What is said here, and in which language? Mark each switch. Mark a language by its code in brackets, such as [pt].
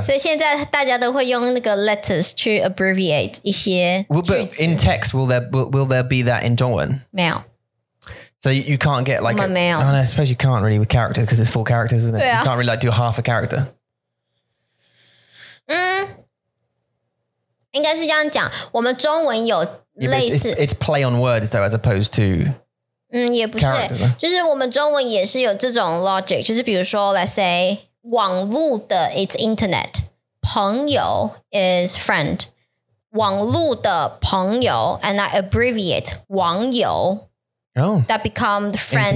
[zh] 所以现在大家都会用那个 [en] letters to abbreviate [zh] 一些 [en] but in text will there be that in 中文 [zh] 没有 [en] so you can't get like [zh] 我们没有 [en] I suppose you can't really with characters because it's full characters isn't it [zh] 对啊 [en] you can't really like do half a character [zh] 应该是这样讲，我们中文有类似 [en] it's play on words though, as opposed to [zh] 也不是，就是我们中文也是有这种 logic, 就是比如说 [en] let's say [zh] 网络的 [en] it's internet, [zh] 朋友 [en] is friend, [zh] 网络的朋友 and I abbreviate 网友 [en] that become the friends